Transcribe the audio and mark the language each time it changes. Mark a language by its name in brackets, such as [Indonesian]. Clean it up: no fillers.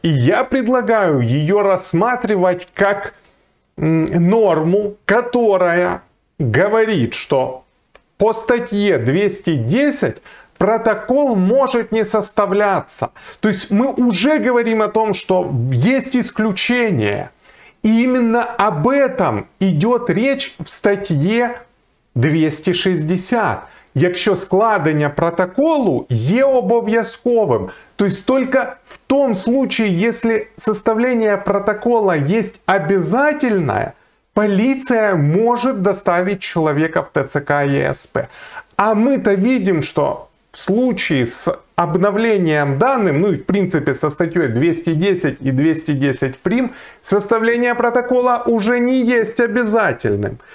[Russian] И я предлагаю ее рассматривать как норму, которая говорит, что по статье 210 протокол может не составляться. То есть мы уже говорим о том, что есть исключение. И именно об этом идет речь в статье 260. [Ukrainian] Якщо складення протоколу є обов'язковим. [Russian] То есть только в том случае, если составление протокола есть обязательное, полиция может доставить человека в ТЦК и ЕСП. А мы-то видим, что в случае с обновлением данных, ну и в принципе со статьей 210 и 210 прим, составление протокола уже не есть обязательным.